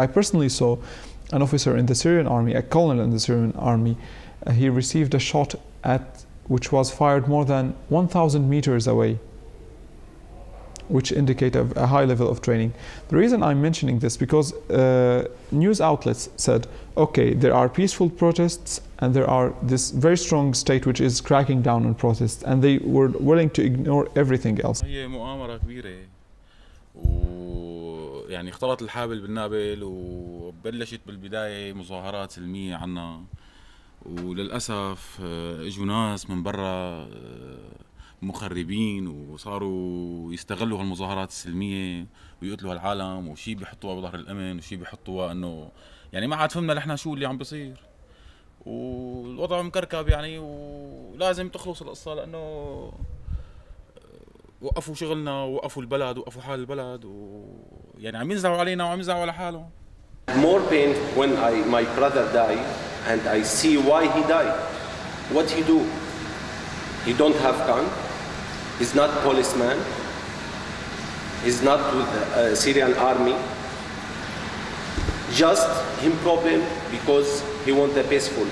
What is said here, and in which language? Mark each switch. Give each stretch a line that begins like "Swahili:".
English: I personally saw an officer in the Syrian army, a colonel in the Syrian army, he received a shot at which was fired more than 1,000 meters away, which indicates a high level of training. The reason I'm mentioning this because news outlets said, okay, there are peaceful protests and there are this very strong state which is cracking down on protests, and they were willing to ignore everything else.
Arabic: هي مؤامرة كبيرة ويعني اختلط الحابل بالنابل وبلشت بالبداية مظاهرات سلمية عنا وللأسف اجوا ناس من برا مخربين وصاروا يستغلوا هالمظاهرات السلمية ويقتلوا هالعالم وشي بيحطوها بظهر الأمن وشي بيحطوها أنه يعني ما عاد فهمنا لحنا شو اللي عم بيصير والوضع مكركب يعني ولازم تخلص القصة لأنه وقفوا شغلنا وقفوا البلد وقفوا حال البلد ويعني عم يزعوا علينا وعم يزعوا على حاله
English: More pain when my brother died and I see why he died What he do? He don't have gun, he's not policeman, he's not with the Syrian army. Just him problem because he want the peaceful.